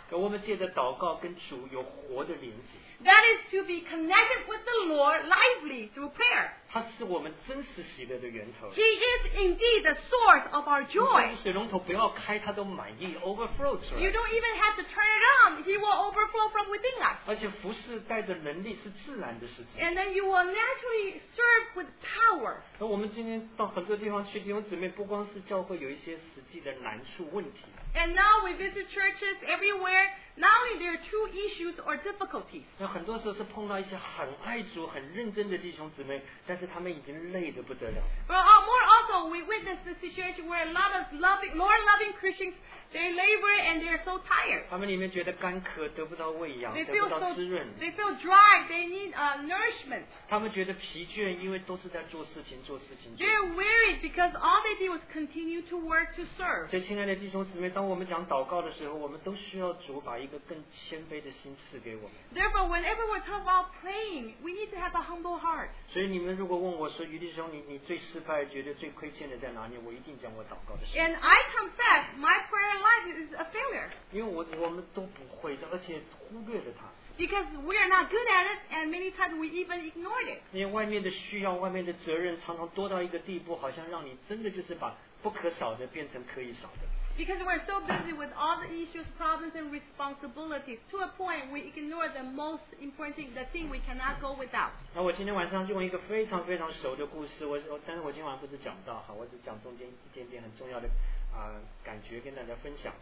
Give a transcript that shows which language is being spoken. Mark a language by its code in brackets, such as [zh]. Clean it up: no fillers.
[zh] 可我们借着祷告跟主有活的连接。 [en] That is to be connected with the Lord lively through prayer. [zh] 它是我们真实喜乐的源头。 [en] He is indeed the source of our joy. [zh] 水龙头不要开，它都满意 [en] overflow [zh] 出来。 [en] You don't even have to turn it on; He will overflow from within us. [zh] 而且服事带着能力是自然的事情。 [en] And then you will naturally serve with power. [zh] 那我们今天到很多地方去，弟兄姊妹不光是教会有一些实际的难处问题。 [en] And now we visit churches everywhere. Not only there are true issues or difficulties. [zh] 那很多时候是碰到一些很爱主、很认真的弟兄姊妹，但是他们已经累得不得了。 [en] More also, we witness the situation where a lot of Lord-loving Christians they labor and they are so tired. [zh] 他们里面觉得干渴，得不到喂养，得不到滋润。 [en] They feel dry. They need nourishment. [zh] 他们觉得疲倦，因为都是在做事情、做事情。 [en] They're weary because all they did was continue to work to serve. [zh] 所以，亲爱的弟兄姊妹，当我们讲祷告的时候，我们都需要主把一个更谦卑的心赐给我们。 [en] Therefore, whenever we talk about praying, we need to have a humble heart. [zh] 所以你们如果问我说，余弟兄，你最失败、觉得最亏欠的在哪里？我一定讲我祷告的事。 [en] And I confess, my prayer life is a failure. [zh] 因为我们都不会的，而且忽略了它。 [en] Because we are not good at it, and many times we even ignored it. [zh] 因为外面的需要、外面的责任常常多到一个地步，好像让你真的就是把不可少的变成可以少的。 [en] Because we're so busy with all the issues, problems, and responsibilities, to a point we ignore the most important thing, the thing we cannot go without. [zh] 那我今天晚上就用一个非常非常熟的故事，但是我今天晚上不是讲到哈，我只讲中间一点点很重要的感觉跟大家分享。